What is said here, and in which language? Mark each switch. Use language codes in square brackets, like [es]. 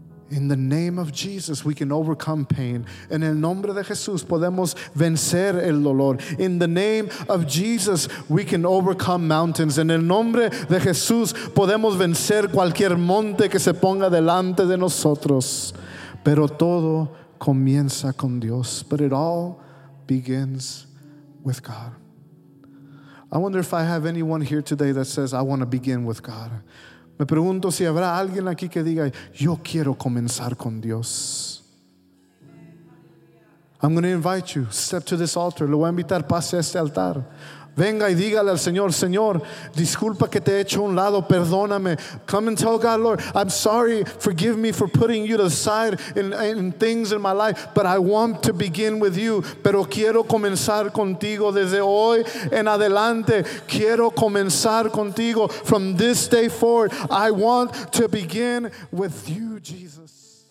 [en] In the name of Jesus, we can overcome pain. [es] En el nombre de Jesús, podemos vencer el dolor. [en] In the name of Jesus, we can overcome mountains. [es] En el nombre de Jesús, podemos vencer cualquier monte que se ponga delante de nosotros. Pero todo comienza con Dios. [en] But it all begins with God. I wonder if I have anyone here today that says, I want to begin with God. [es] Me pregunto si habrá alguien aquí que diga, yo quiero comenzar con Dios. [en] I'm going to invite you, step to this altar. [es] Lo voy a invitar, pase a este altar. Venga y dígale al Señor, Señor, disculpa que te he hecho un lado, perdóname. [en] Come and tell God, Lord, I'm sorry, forgive me for putting you to the side in things in my life, but I want to begin with you. [es] Pero quiero comenzar contigo desde hoy en adelante. Quiero comenzar contigo [en] from this day forward. I want to begin with you, Jesus.